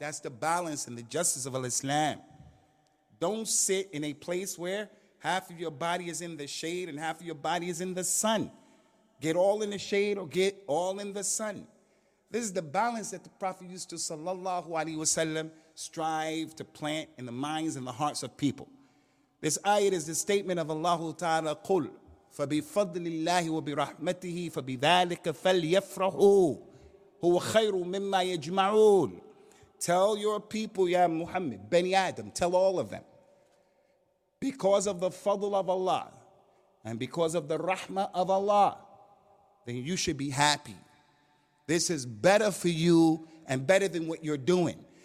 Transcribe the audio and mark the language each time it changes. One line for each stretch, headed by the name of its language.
English: That's the balance and the justice of Al-Islam. Don't sit in a place where half of your body is in the shade and half of your body is in the sun. Get all in the shade or get all in the sun. This is the balance that the Prophet used to, sallallahu alayhi wa sallam, strive to plant in the minds and the hearts of people. This ayat is the statement of Allah Ta'ala,
Arabic: قُلْ فَبِفَضْلِ اللَّهِ وَبِرَحْمَتِهِ فَبِذَٰلِكَ فَلْيَفْرَحُوا هُوَ خَيْرٌ مِمَّا يَجْمَعُونَ.
English: Tell your people, Ya Muhammad, Bani Adam, tell all of them, because of the fadl of Allah and because of the rahmah of Allah, then you should be happy. This is better for you and better than what you're doing.